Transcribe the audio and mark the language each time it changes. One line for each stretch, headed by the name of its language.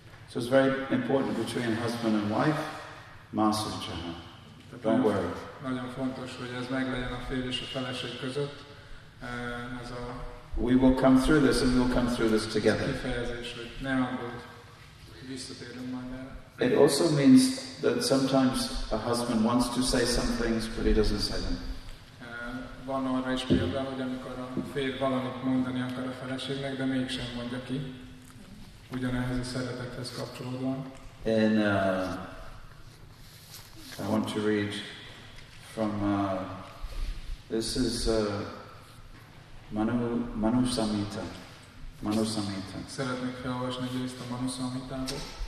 English: So it's very important between husband and wife, Mászucsaha, don't worry.
Hungarian: Nagyon fontos, hogy ez meglegyen a férj és a feleség között. Ez a
English: we will come through this and we'll come through this together.
Hungarian: Kifejezés, hogy ne aggódj, visszatérünk majd erre.
English: It also means that sometimes a husband wants to say some things, but he doesn't say them.
Hungarian: Van arra is példa, hogy amikor a férj valamit mondani akar a feleségnek, de mégsem mondja ki. Ugyanehhez a szeretethez kapcsolódóan.
English: And I want to read from this is Manu Samhita.
Hungarian: Szeretnék felolvasni egy részt a Manu Samhitából.